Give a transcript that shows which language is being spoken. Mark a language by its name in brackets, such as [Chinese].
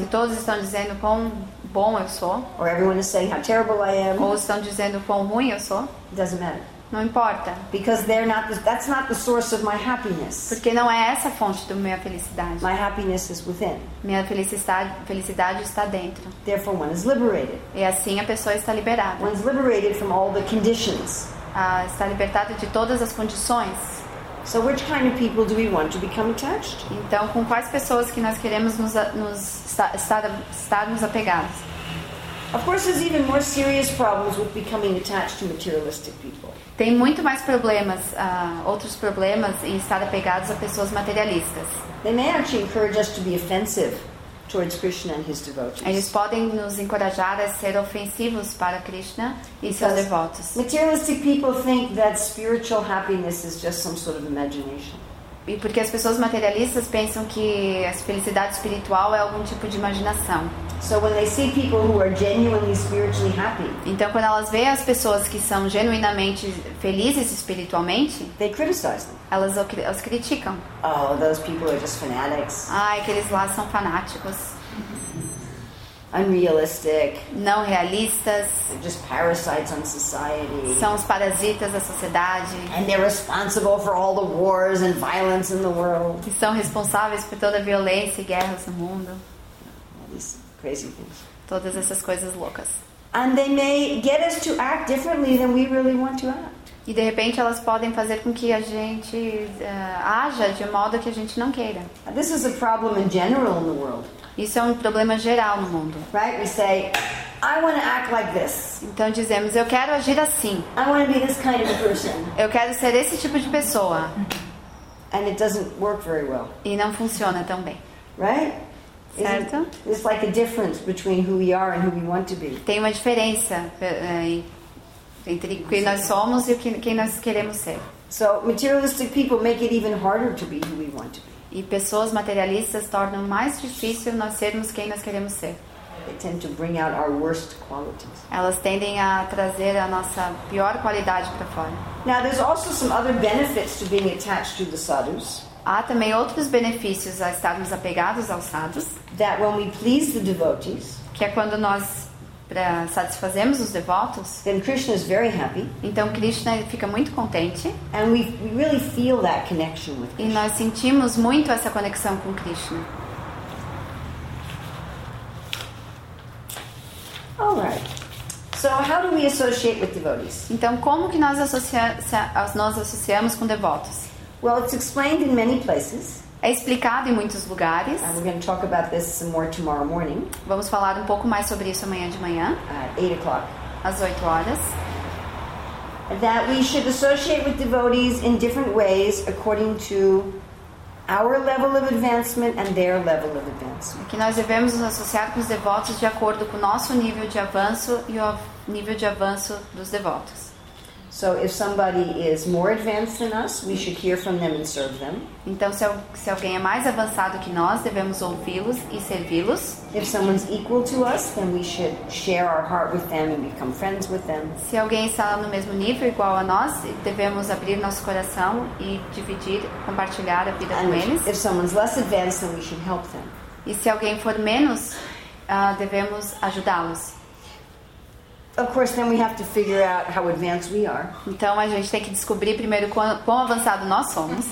[Portuguese] se todos estão dizendo quão bom eu sou, [English] or everyone is saying how terrible I am, [Portuguese] ou estão dizendo quão ruim eu sou, [English] doesn't matter. [Portuguese] Não importa. [English] Because they're not the, that's not the source of my happiness. [Portuguese] Porque não é essa a fonte da minha felicidade. [English] My happiness is within. [Portuguese] Minha felicidade está dentro. [English] Therefore, one is liberated. [Portuguese] E assim a pessoa está liberada. [English] One is liberated from all the conditions. [Portuguese] Está libertado de todas as condições. [English] So which kind of people do we want to become attached? [Portuguese] Então, com quais pessoas que nós queremos estarmos apegados? [English] Of course, there's even more serious problems with becoming attached to materialistic people. [Portuguese] Tem muito mais problemas, outros problemas em estar apegados a pessoas materialistas. [English] They may actually encourage us to be offensive towards Krishna and his devotees. [Portuguese] Eles podem nos encorajar a ser ofensivos para Krishna e seus devotos. [English] Materialistic people think that spiritual happiness is just some sort of imagination. [Portuguese] E porque as pessoas materialistas pensam que a felicidade espiritual é algum tipo de imaginação. [English] So when they see people who are genuinely spiritually happy, [Portuguese] então quando elas veem as pessoas que são genuinamente felizes espiritualmente, [English] they criticize them. [Portuguese] Elas criticam. [English] Oh, those people are just fanatics. [Portuguese] Ai, aqueles lá são fanáticos. [English] Unrealistic. [Portuguese] Não realistas. [English] They're just parasites on society. [Portuguese] São os parasitas da sociedade. [English] And they're responsible for all the wars and violence in the world. [Portuguese] E são responsáveis por toda a violência e guerras no mundo. [English] Crazy things. [Portuguese] Todas essas coisas loucas. [English] And they may get us to act differently than we really want to act. [Portuguese] E de repente elas podem fazer com que a gente haja de modo que a gente não queira. [English] This is a problem in general in the world. [Portuguese] Isso é um problema geral no mundo. [English] Right? We say, I want to act like this. [Portuguese] Então dizemos, eu quero agir assim. [English] I want to be this kind of person. [Portuguese] Eu quero ser esse tipo de pessoa. [English] And it doesn't work very well. [Portuguese] E não funciona tão bem. [English] Right? [Portuguese] Certo? [English] It's like a difference between who we are and who we want to be. [Portuguese] Tem uma diferença entre quem nós somos e quem nós queremos ser. [English] So materialistic people make it even harder to be who we want to be. [Portuguese] E pessoas materialistas tornam mais difícil nós sermos quem nós queremos ser. [English] They tend to bring out our worst qualities. [Portuguese] Elas tendem a trazer a nossa pior qualidade para fora. [English] Now there's also some other benefits to being attached to the sadhus. [Portuguese] Há também outros benefícios a estarmos apegados aos sadhus. [English] That when we please the devotees, [Portuguese] que é quando nós satisfazemos os devotos, [English] then Krishna is very happy. [Portuguese] Então Krishna fica muito contente. [English] And we really feel that connection with Krishna. [Portuguese] E nós sentimos muito essa conexão com Krishna. [English] All right. So how do we associate with devotees? [Portuguese] Então como que nós associamos com devotos? [English] Well, it's explained in many places. [Portuguese] É explicado em muitos lugares. [English] We're going to talk about this some more tomorrow morning. [Portuguese] Vamos falar um pouco mais sobre isso amanhã de manhã. Às 8 horas. [English] That we should associate with devotees in different ways according to our level of advancement and their level of advancement. [Portuguese] Que nós devemos nos associar com os devotos de acordo com o nosso nível de avanço e o nível de avanço dos devotos. [English] So if somebody is more advanced than us, we should hear from them and serve them. [Portuguese] Então se alguém é mais avançado que nós, devemos ouvi-los e servi-los. [English] If someone's equal to us, then we should share our heart with them and become friends with them. [Portuguese] Se alguém está no mesmo nível igual a nós, devemos abrir nosso coração e dividir, compartilhar a vida [English] and [Portuguese] com eles. [English] If someone's less advanced, then we should help them. [Portuguese] E se alguém for menos, devemos ajudá-los. [English] Of course, then we have to figure out how advanced we are. [Portuguese] Então a gente tem que descobrir primeiro quão avançado nós somos.